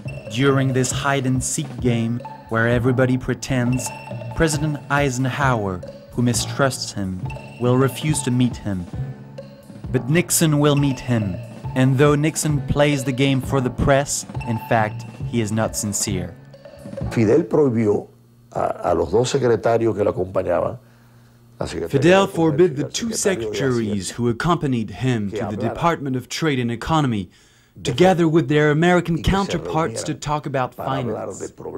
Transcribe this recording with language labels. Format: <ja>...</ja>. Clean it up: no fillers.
<en>During this hide-and-seek game, where everybody pretends, President Eisenhower, who mistrusts him, will refuse to meet him. But Nixon will meet him, and though Nixon plays the game for the press, in fact, he is not sincere.</en> <es>Fidel prohibió a los dos secretarios que lo acompañaban</es> <en>Fidel forbid the two secretaries who accompanied him to the Department of Trade and Economy to gather with their American counterparts to talk about finance.</en>